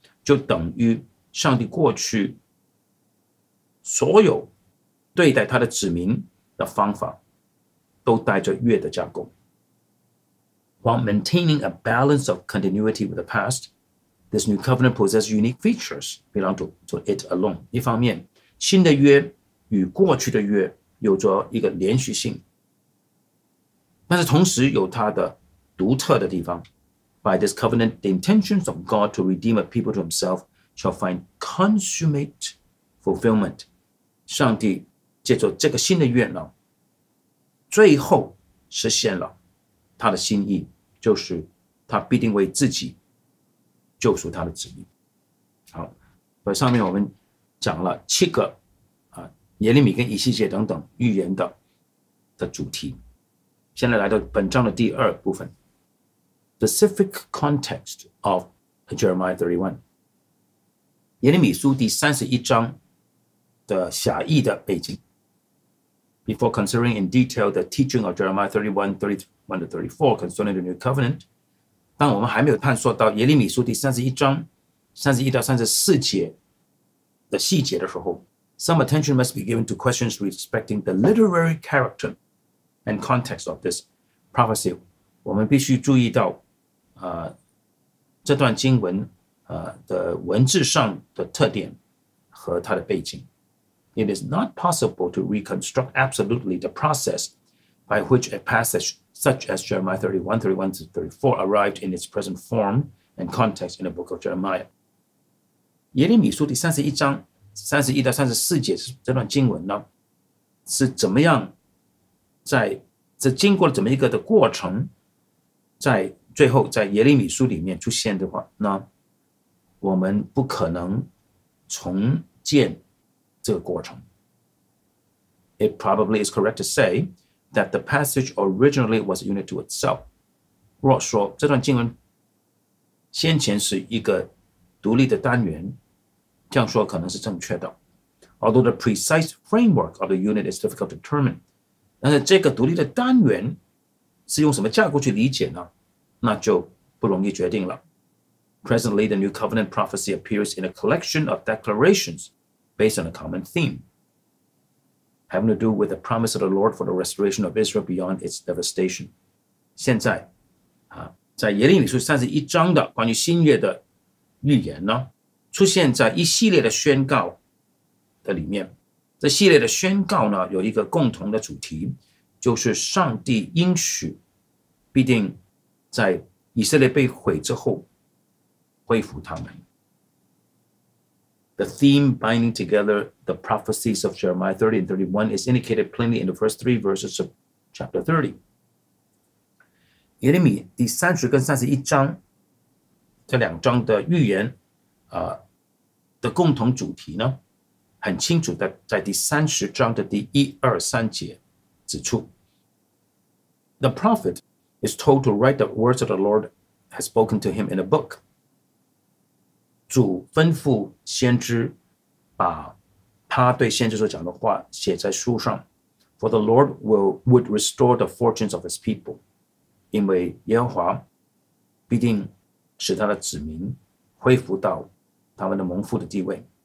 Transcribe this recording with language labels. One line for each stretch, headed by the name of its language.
Chinese: 就等于上帝过去所有对待他的子民的方法都带着约的架构。
English: While maintaining a balance of continuity with the past, this new covenant possesses unique features belong to it alone.
Chinese: 一方面新的约与过去的约有着一个连续性，但是同时有它的独特的地方。
English: By this covenant, the intentions of God to redeem a people to himself shall find consummate fulfillment.
Chinese: 上帝借着这个新的约呢，最后实现了他的心意，就是他必定为自己救赎他的子民。好，所以上面我们讲了七个耶利米跟以西结等等预言的主题。现在来到本章的第二部分。
English: Specific context of Jeremiah 31.
Chinese: 耶利米书第三十一章的狭义的背景。
English: Before considering in detail the teaching of Jeremiah 31, 31 to 34 concerning the new covenant,
Chinese: 当我们还没有探索到耶利米书第三十一章三十一到三十四节的细节的时候，
English: some attention must be given to questions respecting the literary character and context of this prophecy.
Chinese: 我们必须注意到这段经文的文字上的特点和它的背景。
English: It is not possible to reconstruct absolutely the process by which a passage such as Jeremiah 31, 31 to 34 arrived in its present form and context in the book of Jeremiah.
Chinese: 耶利米书第31章31到34节这段经文呢，是怎么样在这经过了怎么一个的过程，在最后在耶利米书里面出现的话，那我们不可能重建这个过程。
English: It probably is correct to say that the passage originally was a unit to itself.
Chinese: 若说这段经文先前是一个独立的单元，这样说可能是正确的。
English: Although the precise framework of the unit is difficult to determine,
Chinese: 但是这个独立的单元是用什么架构去理解呢？那就不容易决定了。
English: Presently, the New Covenant prophecy appears in a collection of declarations based on a common theme, having to do with the promise of the Lord for the restoration of Israel beyond its devastation.
Chinese: 现在，在耶利米书31章的关于新约的预言呢，出现在一系列的宣告的里面。这系列的宣告呢，有一个共同的主题，就是上帝应许必定在以色列被毁之后恢复他们。
English: The theme binding together the prophecies of Jeremiah 30 and 31 is indicated plainly in the first three verses of chapter 30.
Chinese: 耶利米第30跟31章这两章的预言的共同主题呢，很清楚的在第30章的第一二三节指出。
English: The prophet is told to write the words of the Lord has spoken to him in a book.
Chinese: 主吩咐先知把他对先知所讲的话写在书上。
English: For the Lord would restore the fortunes of his people.
Chinese: 因为耶和华必定使他的子民恢复到他们的蒙福的地位。